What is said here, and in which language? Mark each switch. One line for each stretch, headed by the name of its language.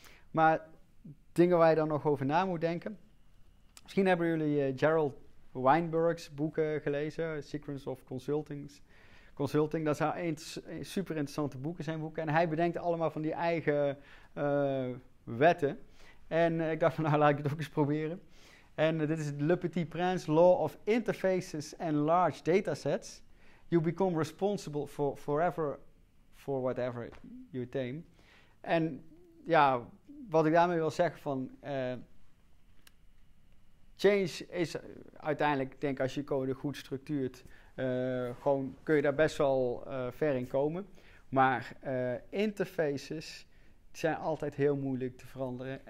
Dutch: Maar dingen waar je dan nog over na moet denken. Misschien hebben jullie Gerald Weinberg's boeken gelezen. Secrets of Consulting. Dat zou een super interessante boeken zijn. Boeken. En hij bedenkt allemaal van die eigen wetten. En ik dacht van nou laat ik het ook eens proberen. En dit is Le Petit Prince.
English: Law of Interfaces and Large Datasets. You become responsible for forever for whatever you tame.
Dutch: En ja, wat ik daarmee wil zeggen van change is uiteindelijk, denk als je code goed structuurt, gewoon kun je daar best wel ver in komen. Maar interfaces zijn altijd heel moeilijk te veranderen.